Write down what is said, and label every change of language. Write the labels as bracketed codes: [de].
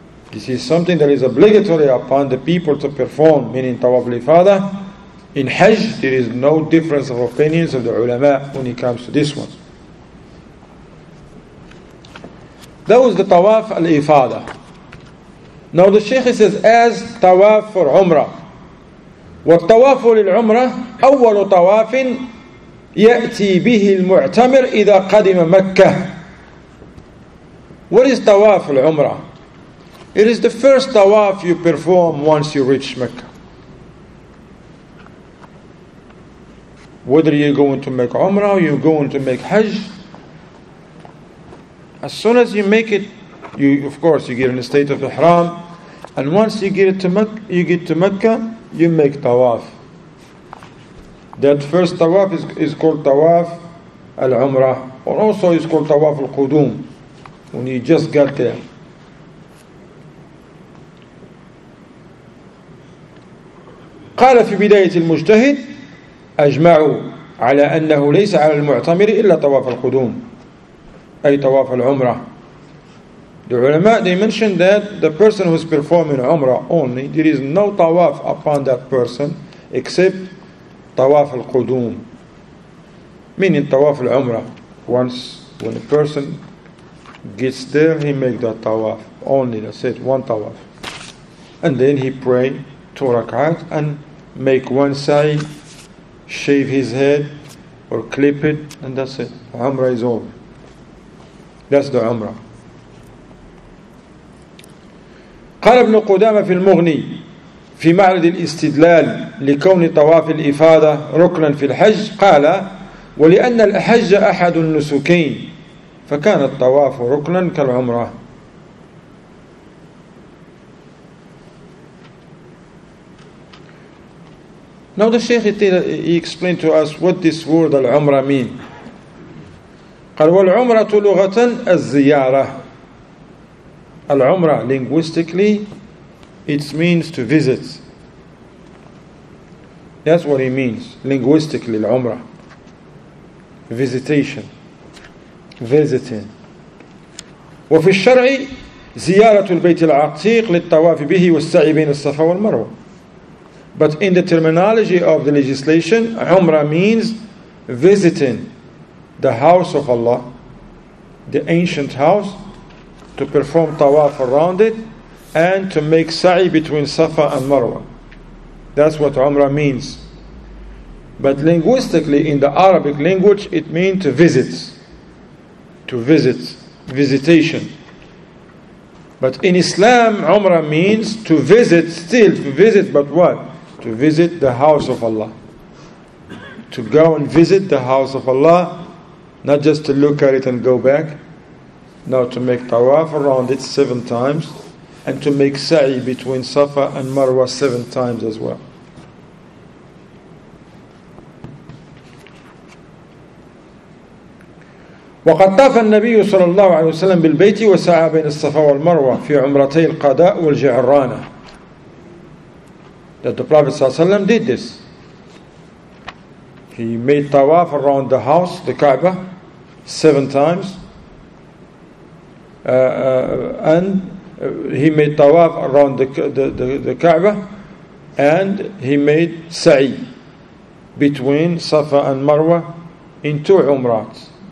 [en] This is something that is obligatory upon the people to perform, meaning tawaf al-ifada. In hajj, there is no difference of opinions of the ulama when it comes to this one. That was the tawaf al-ifada. Now the Shaykh says, as tawaf for umrah. [ar] والتواف للعمرة أول طواف يأتي به المعتمر إذا قدم مكة. [en] What is tawaf al-umrah? It is the first tawaf you perform once you reach Mecca. Whether you're going to make umrah or you're going to make hajj, as soon as you make it, you of course you get in a state of ihram, and once you get it to Mecca, you get to Mecca, you make tawaf. That first tawaf is called tawaf al-umrah, or also is called tawaf al-qudum, when you just got there. [ar] قال في بداية المجتهد أجمعوا على أنه ليس على المعتمر إلا تواف القدوم. أي تواف العمرة. [en] The ulama, they mentioned that the person who is performing umrah only, there is no tawaf upon that person except tawaf al-qudum. Meaning tawaf al-umrah. Once when a person gets there, he makes that tawaf. Only, that's it, one tawaf. And then he pray two rak'at and make one sa'i, shave his head or clip it, and that's it. Umrah is over. That's the umrah. [ar] قال ابن قدامة في المغني في معرض الاستدلال لكون طواف الإفادة ركنا في الحج قال ولأن الحج أحد النسكين فكان الطواف ركنا كالعمرة. [en] Now the Shaykh he explained to us what this word العمرة mean. [ar] قال والعمرة لغة الزيارة. [en] Al-Umrah, linguistically, it means to visit. That's what it means, linguistically, Al-Umrah. Visitation. Visiting. [ar] وفي الشرع زيارة البيت العتيق للطواف به والسعي بين الصفا والمروة. [en] But in the terminology of the legislation, Umrah means visiting the house of Allah, the ancient house, to perform tawaf around it and to make sa'i between Safa and Marwa. That's what Umrah means. But linguistically, in the Arabic language, it means to visit. To visit. Visitation. But in Islam, Umrah means to visit, still to visit, but what? To visit the house of Allah. To go and visit the house of Allah, not just to look at it and go back. No, to make tawaf around it 7 times, and to make sa'i between Safa and Marwa 7 times as well. [ar] وقد طاف النبي صلى الله عليه وسلم بالبيت وسعى بين الصفا والمروة في عمرتي القضاء والجعرانة. [en] That the Prophet [ar] صلى الله عليه وسلم [en] did this. He made tawaf around the house, the Kaaba, 7 times. And he made tawaf around the Kaaba, and he made sa'i between Safa and Marwa in 2 umrat.